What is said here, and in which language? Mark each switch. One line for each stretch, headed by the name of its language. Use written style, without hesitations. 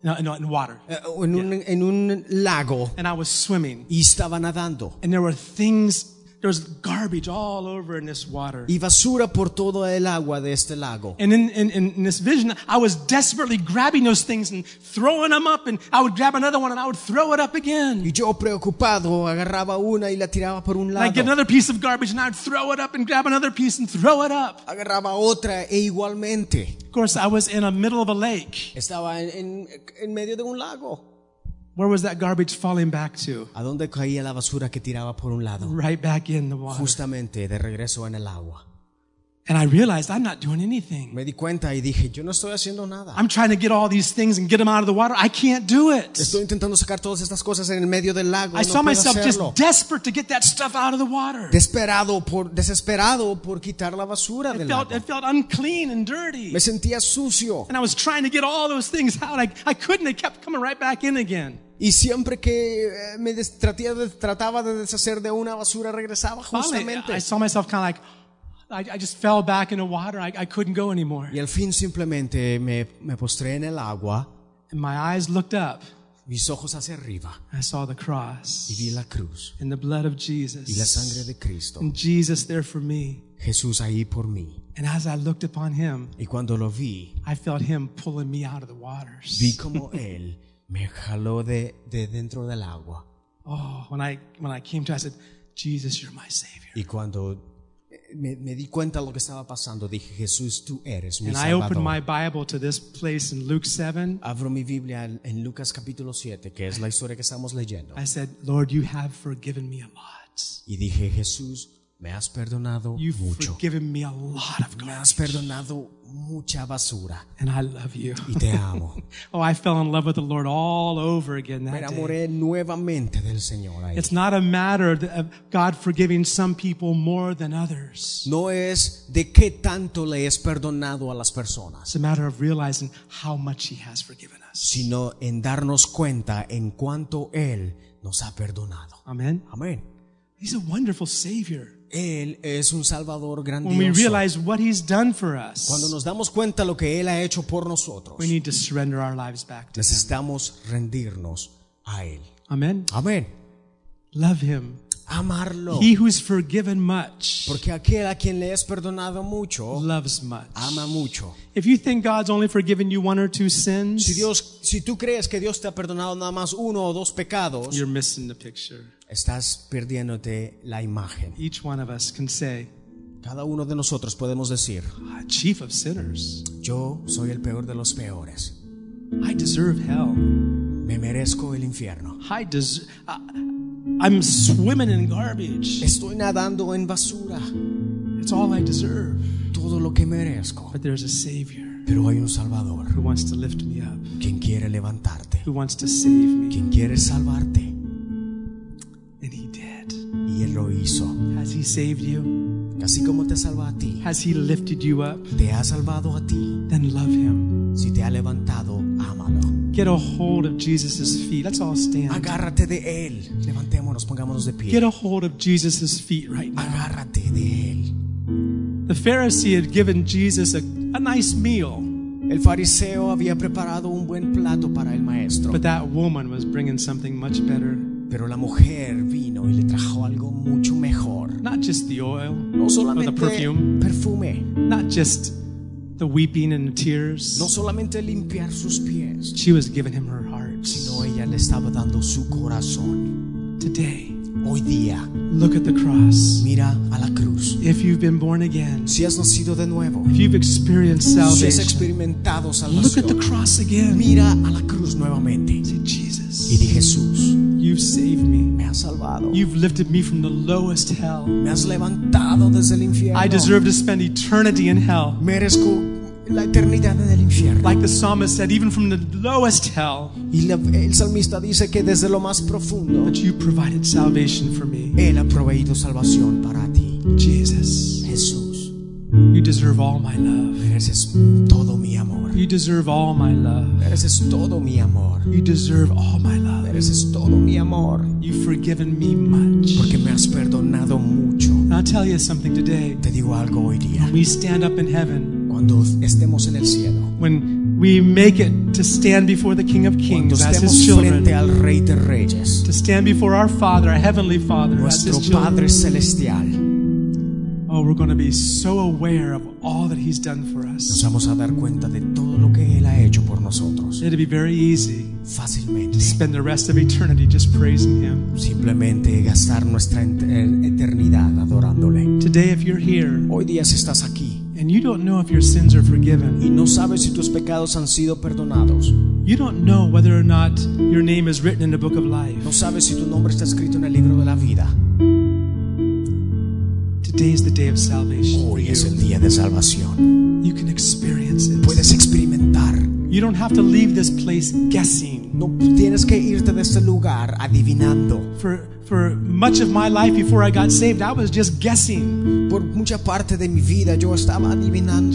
English: No, in water.
Spanish: En un lago.
English: And I was swimming.
Spanish: Y estaba nadando.
English: And there were things. There's garbage all over in this water.
Spanish: Y basura por todo el agua de este lago.
English: And in this vision, I was desperately grabbing those things and throwing them up, and I would grab another one and I would throw it up again.
Spanish: Y yo preocupado agarraba una y la tiraba por un lado.
English: And I'd get another piece of garbage and I'd throw it up and grab another piece and throw it up.
Spanish: Agarraba otra e igualmente.
English: Of course, I was in the middle of a lake.
Spanish: Estaba en medio de un lago.
English: Where was that garbage falling back to?
Spanish: ¿A dónde caía la basura que tiraba por un lado?
English: Right back in the water.
Spanish: Justamente de regreso en el agua.
English: And I realized I'm not doing anything.
Spanish: Me di cuenta y dije, yo no estoy haciendo nada.
English: I'm trying to get all these things and get them out of the water. I can't do it.
Spanish: Estoy intentando sacar todas estas cosas en el medio del lago.
English: I saw myself just desperate to get that stuff out of the water.
Spanish: Desesperado por quitar la basura del lago.
English: It felt unclean and dirty.
Spanish: Me sentía sucio.
English: And I was trying to get all those things out. I couldn't. It kept coming right back in again.
Spanish: Y siempre que me trataba de deshacer de una basura, regresaba justamente.
English: I saw myself kind of like, I just fell back in the water. I couldn't go anymore.
Spanish: Y al fin simplemente me postré en el agua.
English: And my eyes looked up.
Spanish: Mis ojos hacia arriba.
English: I saw the cross.
Spanish: Y vi la cruz.
English: And the blood of Jesus.
Spanish: Y la sangre de Cristo.
English: And Jesus there for me.
Spanish: Jesús ahí por mí.
English: And as I looked upon him,
Spanish: y cuando lo vi,
English: I felt him pulling me out of the waters.
Spanish: Vi como él me jaló de dentro del agua.
English: Oh, when I came to, I said, Jesus, you're my Savior.
Spanish: Y cuando me di cuenta de lo que estaba pasando, dije, Jesús, tú eres mi
English: Salvador. And I opened my Bible to this place in Luke 7.
Spanish: Abro mi Biblia en Lucas capítulo 7, que es la historia que estamos leyendo.
English: I said, Lord, you have forgiven me a lot.
Spanish: Y dije, Jesús, me has perdonado
English: You've
Spanish: mucho.
English: You've forgiven me a lot of garbage.
Spanish: Me has perdonado mucha basura.
English: And I love you.
Spanish: Y te amo.
English: Oh, I fell in love with the Lord all over again that day.
Spanish: Me enamoré nuevamente del Señor ahí.
English: It's not a matter of God forgiving some people more than others.
Spanish: No es de qué tanto le es perdonado a las personas.
English: It's a matter of realizing how much He has forgiven us.
Spanish: Sino en darnos cuenta en cuánto Él nos ha perdonado.
English: Amen.
Spanish: Amen.
English: He's a wonderful Savior.
Spanish: Él es un Salvador grandioso.
English: When we realize what He's done for us,
Spanish: cuando nos damos cuenta lo que Él ha hecho por nosotros,
English: we need to surrender our lives back to Him.
Spanish: Necesitamos rendirnos a Él.
English: Amen.
Spanish: Amen.
English: Love Him.
Spanish: Amarlo.
English: He who is forgiven much,
Spanish: porque aquel a quien le es perdonado mucho,
English: loves much.
Spanish: Ama mucho.
English: If you think God's only forgiven you one or two sins,
Spanish: si tú crees que Dios te ha perdonado nada más uno o dos pecados,
English: you're missing the picture.
Spanish: Estás perdiéndote la imagen.
English: Each one of us can say,
Spanish: cada uno de nosotros podemos decir,
English: chief of sinners.
Spanish: Yo soy el peor de los peores.
English: I deserve hell.
Spanish: Me merezco el infierno.
English: I'm swimming in garbage.
Spanish: Estoy nadando en basura.
English: It's all I deserve.
Spanish: Todo lo que merezco.
English: But there's a Savior.
Spanish: Pero hay un Salvador.
English: Who wants to lift me up.
Spanish: Quien quiere levantarte.
English: Who wants to save me.
Spanish: Quien quiere salvarte.
English: And He did.
Spanish: Y Él lo hizo.
English: Has He saved you?
Spanish: Así como te salvó a ti.
English: Has He lifted you up?
Spanish: Te ha salvado a ti.
English: Then love Him.
Spanish: Si te ha levantado, ámalo.
English: Get a hold of Jesus' feet. Let's all stand.
Spanish: Agárrate de Él. Levantémonos, pongámonos de pie.
English: Get a hold of Jesus' feet right now.
Spanish: Agárrate de Él.
English: The Pharisee had given Jesus a nice meal.
Spanish: El fariseo había preparado un buen plato para el maestro.
English: But that woman was bringing something much better.
Spanish: Pero la mujer vino y le trajo algo mucho mejor.
English: Not just the oil.
Spanish: No solamente
English: or the perfume.
Spanish: Perfume.
English: Not just the weeping and tears.
Spanish: No solamente limpiar sus pies.
English: She was giving Him her heart.
Spanish: Sino ella le estaba dando su corazón.
English: Today.
Spanish: Hoy día.
English: Look at the cross.
Spanish: Mira a la cruz.
English: If you've been born again.
Spanish: Si has nacido de nuevo.
English: If you've experienced salvation.
Spanish: Si has experimentado salvación.
English: Look at the cross again.
Spanish: Mira a la cruz nuevamente.
English: Say, Jesus.
Spanish: Y di Jesús.
English: You've saved me.
Spanish: Me has salvado.
English: You've lifted me from the lowest hell.
Spanish: Me has levantado desde el infierno.
English: I deserve to spend eternity in hell.
Spanish: Merezco la eternidad en el infierno.
English: Like the psalmist said, even from the lowest hell.
Spanish: Y el salmista dice que desde lo más profundo.
English: But you provided salvation for me.
Spanish: Él ha proveído salvación para ti.
English: Jesus.
Spanish: Jesús.
English: You deserve all my love.
Spanish: Mereces todo mi amor.
English: You deserve all my love.
Spanish: Mereces todo mi amor.
English: You deserve all my love.
Spanish: Mereces todo mi amor.
English: You've forgiven me much.
Spanish: Porque me has perdonado mucho.
English: And I'll tell you something today.
Spanish: Te digo algo hoy día.
English: When we stand up in heaven.
Spanish: Cuando estemos en el cielo.
English: When we make it to stand before the King of Kings
Spanish: cuando estemos
English: as His children.
Spanish: Frente al Rey de Reyes.
English: To stand before our Father, our Heavenly Father,
Spanish: nuestro
English: as His
Spanish: Padre Celestial.
English: Oh, we're going to be so aware of all that He's done for us.
Spanish: Nos vamos a dar cuenta de todo lo que Él ha hecho por nosotros.
English: It'll be very easy.
Spanish: Fácilmente.
English: To spend the rest of eternity just praising Him.
Spanish: Simplemente gastar nuestra eternidad adorándole.
English: Today, if you're here.
Spanish: Hoy día si estás aquí.
English: And you don't know if your sins are forgiven.
Spanish: Y no sabes si tus pecados han sido perdonados.
English: You don't know whether or not your name is written in the book of life.
Spanish: No sabes si tu nombre está escrito en el libro de la vida.
English: Today is the day of salvation.
Spanish: Hoy es el día de salvación.
English: You can experience it.
Spanish: Puedes experimentar.
English: You don't have to leave this place guessing.
Spanish: No tienes que irte de este lugar adivinando.
English: For much of my life before I got saved, I was just guessing.
Spanish: Por mucha parte de mi vida yo estaba adivinando.